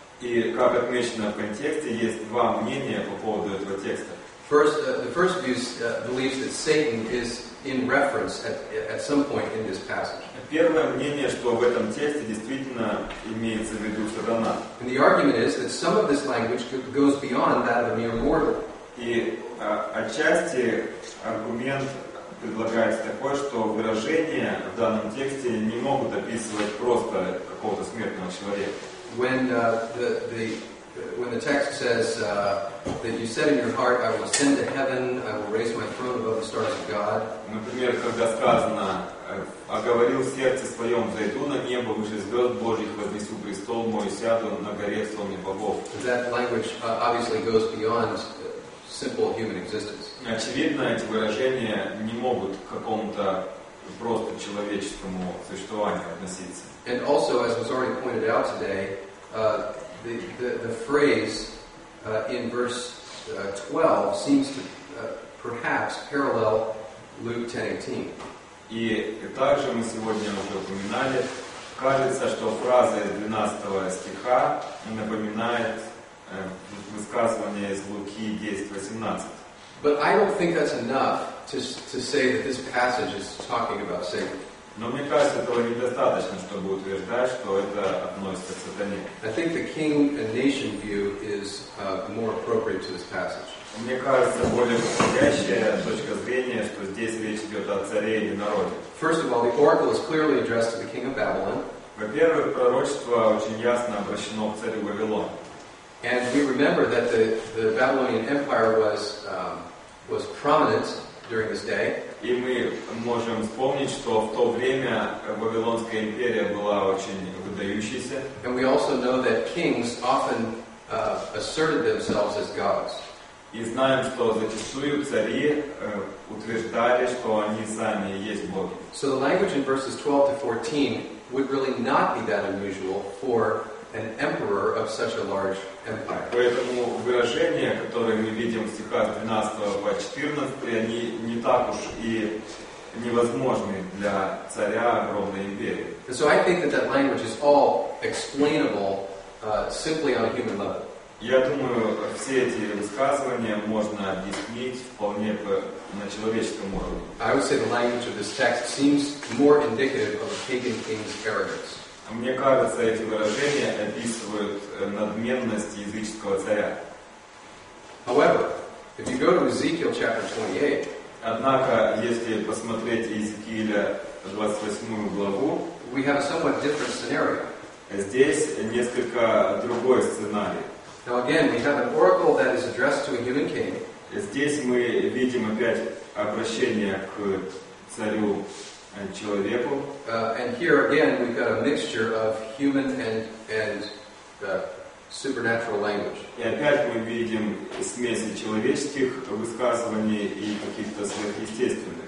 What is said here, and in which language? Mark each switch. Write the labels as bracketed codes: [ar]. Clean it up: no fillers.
[ru] И как отмечено в контексте, есть два мнения по поводу этого текста. [en] First, the first view believes that Satan is in reference at some point in this passage. [ru] Первое мнение, что в этом тексте действительно имеется в виду сатана. [en] And the argument is that some of this language goes beyond that of a mere mortal. [ru] И отчасти аргумент предлагается такой, что выражения в данном тексте не могут описывать просто какого-то смертного человека. [en] When the text says that you said in your heart, I will ascend to heaven, I will raise my throne above the stars of God. [ru] Например, когда сказано, оговорил в сердце своем, зайду на небо выше звезд Божьих, вознесу престол мой, сяду на горе слоне богов. [en] That language obviously goes beyond simple human existence. [ru] Очевидно, эти выражения не могут к какому-то просто человеческому существованию относиться. [en] And also, as was already pointed out today, the phrase in verse 12 seems to perhaps parallel Luke 10:18. [ru] И также мы сегодня уже упоминали, кажется, что фраза из 12 стиха напоминает высказывание из Луки 10:18. [en] But I don't think that's enough to say that this passage is talking about Satan. [ru] Но мне кажется, этого недостаточно, чтобы утверждать, что это относится к сатане. [en] I think the king and nation view is more appropriate to this passage. [ru] Мне кажется, более подходящая точка зрения, что здесь речь идет о царе или народе. [en] First of all, the oracle is clearly addressed to the king of Babylon. [ru] Во-первых, пророчество очень ясно обращено к царю Вавилон. [en] And we remember that the Babylonian Empire was prominent during this day. [ru] И мы можем вспомнить, что в то время Вавилонская империя была очень выдающейся. [en] And we also know that kings often asserted themselves as gods. [ru] И знаем, что зачастую цари утверждали, что они сами есть боги. [en] So the language in verses 12 to 14 would really not be that unusual for an emperor of such a large empire. [ru] Поэтому выражения, которые мы видим в стихах 12 по 14, они не так уж и невозможны для царя огромной империи. [en] And so I think that language is all explainable simply on a human level. [ru] Я думаю, все эти высказывания можно объяснить вполне на человеческом уровне. [en] I would say the language of this text seems more indicative of a pagan king's arrogance. [ru] Мне кажется, эти выражения описывают надменность языческого царя. [en] However, if you go to Ezekiel chapter 28, [ru] однако, если посмотреть Иезекииля 28 главу, [en] we have a somewhat different scenario. [ru] Здесь несколько другой сценарий. [en] Now again, we have an oracle that is addressed to a human king. [ru] Здесь мы видим опять обращение к царю. And человеку. [en] And here again, we've got a mixture of human and supernatural language. [ru] И опять мы видим смесь человеческих высказываний и каких-то сверхъестественных.